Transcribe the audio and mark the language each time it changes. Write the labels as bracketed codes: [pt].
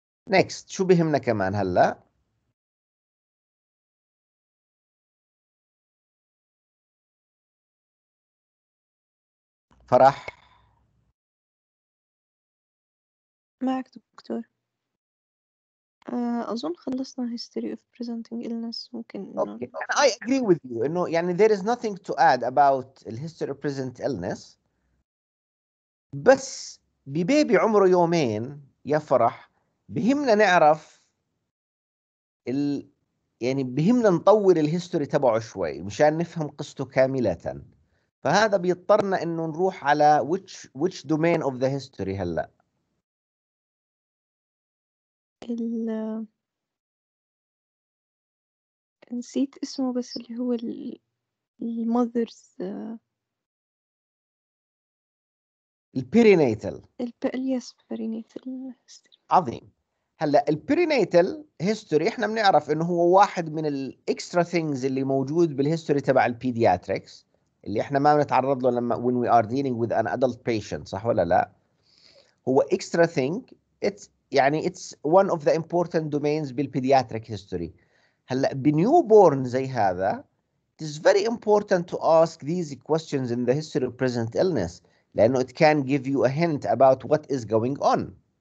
[ar] Next, شو بهمنا كمان هلا؟ فرح؟ معك دكتور. أظن خلصنا history of presenting illness. ممكن [en] إنه. Okay. I agree with you. [ar] إنه يعني [en] there is nothing to add about the history of present illness. [ar] بس ببيبي عمره يومين يا فرح بهمنا نعرف ال يعني بهمنا نطور الهيستوري تبعه شوي مشان نفهم قصته كاملة. فهذا بيضطرنا إنه نروح على [en] which domain of the history [ar] هلا. ال نسيت اسمه بس اللي هو المذرز البيرينيتال الياس بيرينيتال عظيم. هلا البيرينيتال هيستوري احنا بنعرف انه هو واحد من الاكسترا ثينجز اللي موجود بالهيستوري تبع البيدياتريكس اللي احنا ما بنتعرض له لما [en] when we are dealing with an adult patient, [ar] صح ولا لا؟ هو اكسترا ثينج اتس يعني [en] it's one of the important domains [ar] بالpediatric history. هلا بنيوبورن زي هذا [en] it is very important to ask these questions in the history of present illness [ar] لأنه [en] it can give you a hint about what is going on.